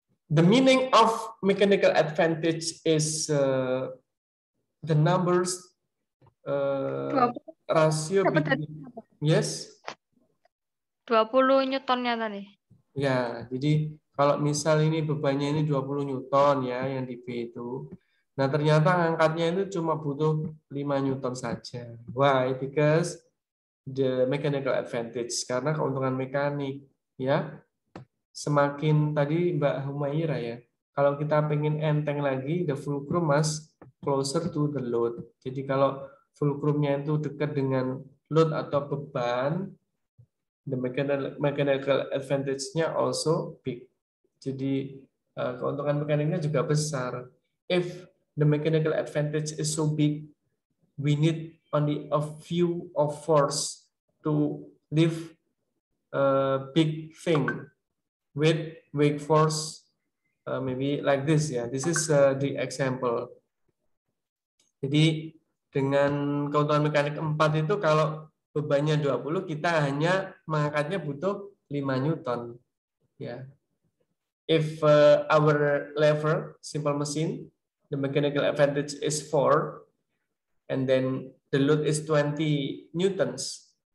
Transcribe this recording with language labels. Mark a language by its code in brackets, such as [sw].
[en] The meaning of mechanical advantage is the numbers ratio between. Yes. [id] 20 Newton-nya tadi. Ya, jadi kalau misal ini bebannya ini 20 Newton ya yang di B itu. Nah, ternyata angkatnya itu cuma butuh 5 Newton saja. [en] Why? Because the mechanical advantage. [id] Karena keuntungan mekanik. Ya. Semakin, tadi Mbak Humaira ya, kalau kita pengen enteng lagi, [en] the fulcrum must closer to the load. [id] Jadi kalau fulcrumnya itu dekat dengan load atau beban, [en] the mechanical advantage-nya also big. [id] Jadi keuntungan mekaniknya juga besar. [en] If the mechanical advantage is so big, we need only a few of force to lift a big thing with weak force, maybe like this. Yeah, this is the example. [id] Jadi dengan keuntungan mekanik 4 itu, kalau bebannya 20, kita hanya mengangkatnya butuh 5 Newton. [en] Yeah. If our lever, simple machine, the mechanical advantage is 4, and then the load is 20 newtons.